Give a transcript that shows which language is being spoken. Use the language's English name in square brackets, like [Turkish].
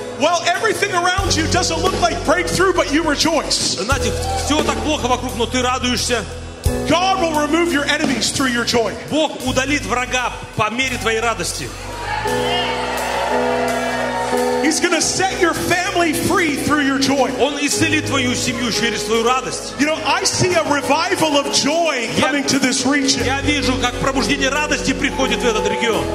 [English] Well, everything around you doesn't look like breakthrough, but you rejoice. [Russian] Знаете, все так плохо вокруг, но ты радуешься. [English] God will remove your enemies through your joy. [Russian] Бог удалит врага по мере твоей радости. [English] He's going to set your family free through your joy. [Russian] Он исцелит твою семью через твою радость. [English] You know, I see a revival of joy coming to this region. [Russian] Я вижу, как пробуждение радости приходит в этот регион.